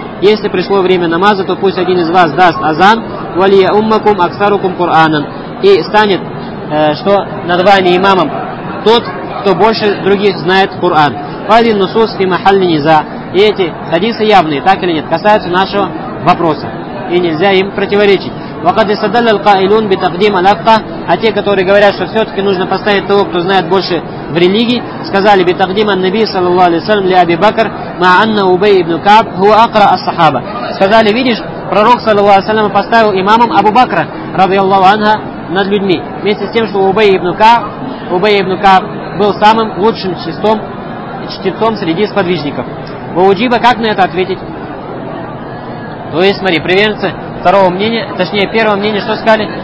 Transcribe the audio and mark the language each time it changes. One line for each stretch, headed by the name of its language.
Russian: Если пришло время намаза, то пусть один из вас даст азан
Arabic: «Валия уммакум аксарукум Кур'анан».
Russian: И станет, что над вами имамом тот, кто больше других знает Кур'ан.
Arabic: «Фалин нусус фи махалли низа».
Russian: И эти хадисы явные, так или нет, касаются нашего вопроса. И нельзя им противоречить.
Arabic: وقد استدل القائلون بتقديم الأفقه.
Russian: А те, которые говорят, что все-таки нужно поставить того, кто знает больше в религии, сказали
Arabic: بتقديم النبي صلى الله عليه وسلم لأبي بكر مع أن أبي بن كعب هو أقرأ الصحابة.
Russian: Сказали, видишь, пророк
Arabic: صلى الله عليه وسلم
Russian: поставил имамом Абу Бакра
Arabic: رضي الله عنه
Russian: над людьми, вместе с тем, что Убей ибн Кааб был самым лучшим чтецом среди сподвижников. Ваджиба, как на это ответить? То есть, смотри, приверженцы второго мнения, точнее, первого мнения, что сказали?